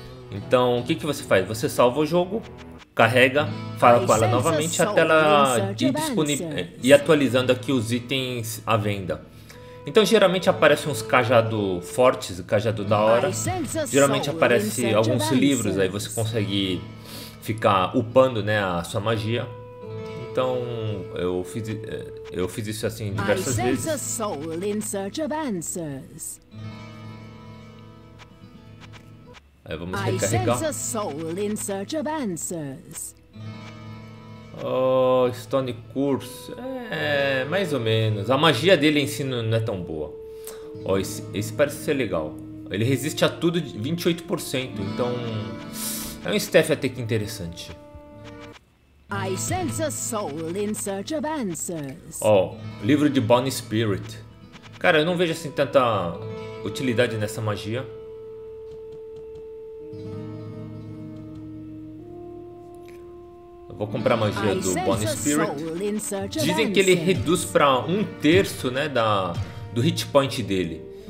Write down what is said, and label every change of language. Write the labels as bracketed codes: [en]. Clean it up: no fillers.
[pt] Então o que você faz? Você salva o jogo, carrega, fala com ela novamente até ela ir atualizando aqui os itens à venda. Então geralmente aparecem uns cajados fortes, cajado da hora. Geralmente aparecem alguns livros, aí você consegue ficar upando, né, a sua magia. Então, eu fiz isso assim diversas vezes. [en] A soul in search of answers. [pt] Aí vamos recarregar. [en] A soul in search of answers. [pt] Oh, Stone Curse. É, mais ou menos. A magia dele em si não é tão boa. Oh, esse parece ser legal. Ele resiste a tudo de 28%. Então, é um staff até que interessante. [en] I sense a soul in search of answers. [pt] Oh, livro de Bonnie Spirit. Cara, eu não vejo assim tanta utilidade nessa magia. Eu vou comprar a magia do Bonnie Spirit. Dizem que ele reduz para um terço, né, do hit point dele.